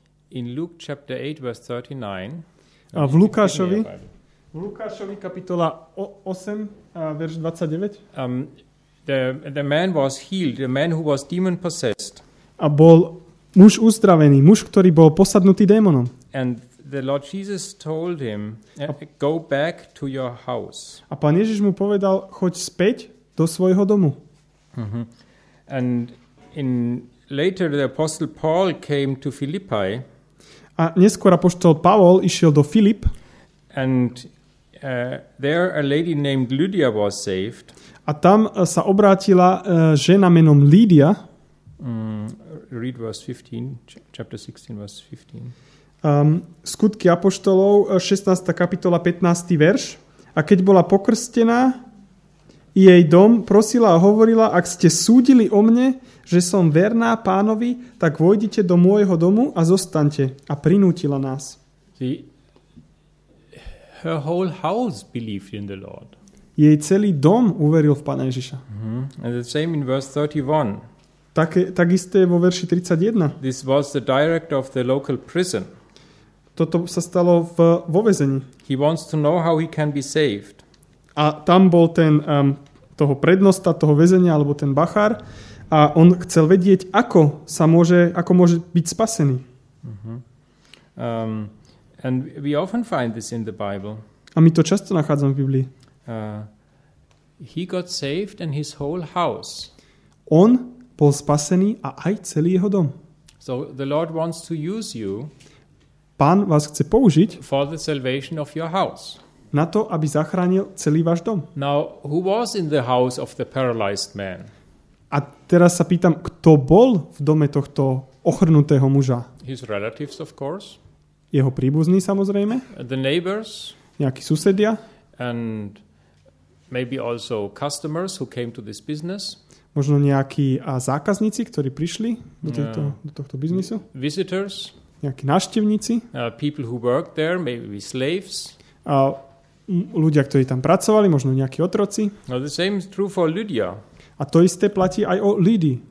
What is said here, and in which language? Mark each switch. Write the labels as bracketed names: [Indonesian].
[English] In Luke chapter 8 verse 39. [Slovak] A v Lukášovi. V Lukášovi kapitola 8 verš 29. [English] The man was healed, the man who was demon possessed. [Slovak] A bol muž uzdravený, muž, ktorý bol posadnutý démonom. [English] And the Lord Jesus told him, go back to your house. [Slovak] A Pán Ježiš mu povedal, choď späť do svojho domu. Mm-hmm. [English] And in later the apostle Paul came to Philippi. [Slovak] A neskôr apoštol Pavol išiel do Filip. [English] And there a lady named Lydia was saved. [Slovak] A tam sa obrátila žena menom Lydia. [English] Read verse 15, chapter 16, verse 15. [Slovak] Skutky apoštolov, 16. kapitola, 15. verš. A keď bola pokrstená, jej dom prosila a hovorila, ak ste súdili o mne, že som verná Pánovi, tak vojdite do môjho domu a zostaňte. A prinútila nás. [English] Her whole house believed in the Lord. [Slovak] Jej celý dom uveril v Pána Ježiša. [English] Mm-hmm. And the same in verse 31. [Slovak] Tak isté vo verši 31. [English] This was the director of the local prison. [Slovak] Toto sa stalo vo väzení. [English] He wants to know how he can be saved. [Slovak] A tam bol ten toho prednosta, toho väzenia, alebo ten bachár. A on chcel vedieť, ako môže byť spasený. Mm-hmm. [English] And we often find this in the Bible. [Slovak] A my to často nachádzame v Biblii. [English] He got saved and his whole house. [Slovak] On bol spasený a aj celý jeho dom. [English] So the Lord wants to use you. [Slovak] Pán vás chce použiť [English] for the salvation of your house. [Slovak] Na to, aby zachránil celý váš dom. [English] Now, who was in the house of the paralyzed man? [Slovak] A teraz sa pýtam, kto bol v dome tohto ochrnutého muža? [English] His relatives, of course. [Slovak] Jeho príbuzní, samozrejme. [English] The neighbors. [Slovak] Nejakí susedia. [English] And maybe also customers who came to this business. [Slovak] Možno nejakí zákazníci, ktorí prišli do tohto biznisu. [English] Visitors. [Slovak] Nejakí návštevníci. [English] People who worked there, maybe slaves. [Slovak] A ľudia, ktorí tam pracovali, možno nejakí otroci. [English] Now the same is true for Lydia. [Slovak] A to isté platí aj o Lydii.